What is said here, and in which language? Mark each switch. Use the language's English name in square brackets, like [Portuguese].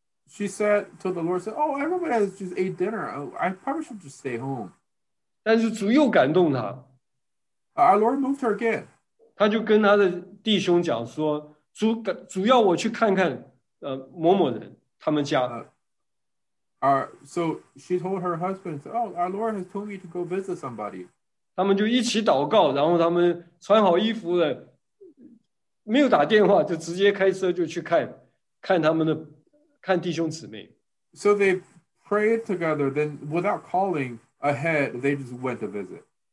[English] She said to the Lord, said, oh, everybody has just ate dinner. I probably should just stay home. [Chinese] 但是主又感动他。 [English] Our Lord moved her again. [Chinese] 他就跟他的弟兄讲说, 主要我去看看某某人他们家。 [English] So she told her husband, oh, our Lord has told me to go visit somebody. [Chinese] 他们就一起祷告,然后他们穿好衣服了,没有打电话,就直接开车就去看他们的弟兄姊妹。 [English] So they prayed together, then without calling ahead, they just went to visit.